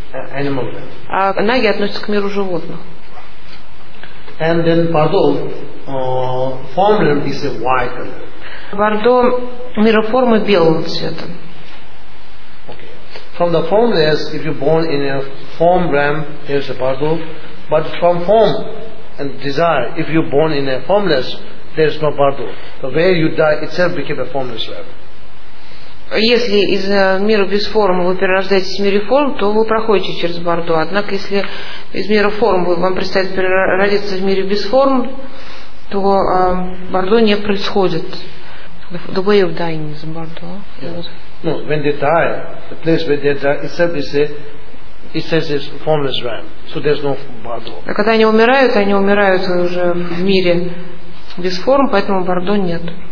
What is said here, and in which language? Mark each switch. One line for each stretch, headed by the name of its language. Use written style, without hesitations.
Russian: Наги относятся к миру животных.
English: And then Bardo form is a white color.
Russian: Бордо мира формы белого цвета.
English: Okay. From the form, yes, if you're born in a form realm, here's a Bardo. But from form and desire, if you're born in a formless, there's no Bardo. The way you die itself became a formless realm.
Russian: Если из мира без формы вы перерождаетесь в мире форм, то вы проходите через Бардо. Однако, если из мира форм вам предстоит переродиться в мире без форм, то Бардо не происходит.
English: The way of dying is Бардо. Yeah. No, when they die, the place where they die itself is a, it says it's formless realm. So there's no Бардо.
Russian: А когда они умирают уже в мире без форм, поэтому Бардо нет.